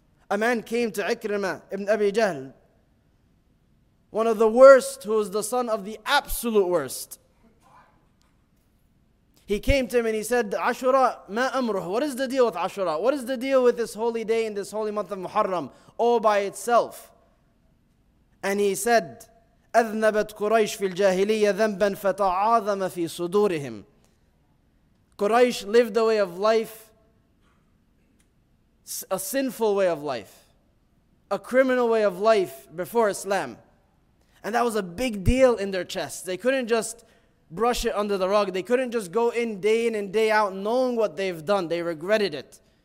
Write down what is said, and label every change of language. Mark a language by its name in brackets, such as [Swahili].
[English] A man came to Ikrimah ibn Abi Jahl, one of the worst, who is the son of the absolute worst. He came to him and he said, [Arabic] Ashura ma amruh. [English] What is the deal with Ashura? What is the deal with this holy day and this holy month of Muharram all by itself? And he said, [Arabic] أذنبت قريش في الجاهلية ذنبا فتعاظم في صدورهم. [English] Quraysh lived a way of life, a sinful way of life, a criminal way of life before Islam. And that was a big deal in their chest. They couldn't just brush it under the rug. They couldn't just go in and day out knowing what they've done. They regretted it.